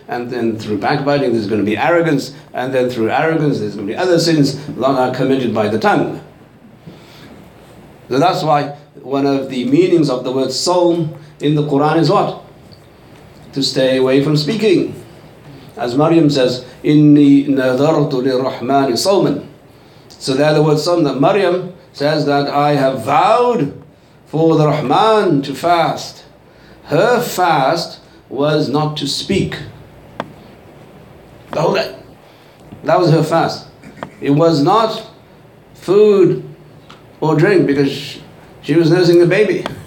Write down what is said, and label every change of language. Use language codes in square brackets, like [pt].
[en] And then through backbiting there's going to be arrogance. And then through arrogance there's going to be other sins that are committed by the tongue. So that's why one of the meanings of the word soul in the Quran is what? To stay away from speaking. As Maryam says, [ar] إِنِّي نَذَرْتُ لِلرَّحْمَانِ صَوْمًا. [en] So there the word soul that Maryam says, that I have vowed for the Rahman to fast. Her fast was not to speak. That was her fast. It was not food or drink, because she was nursing a baby.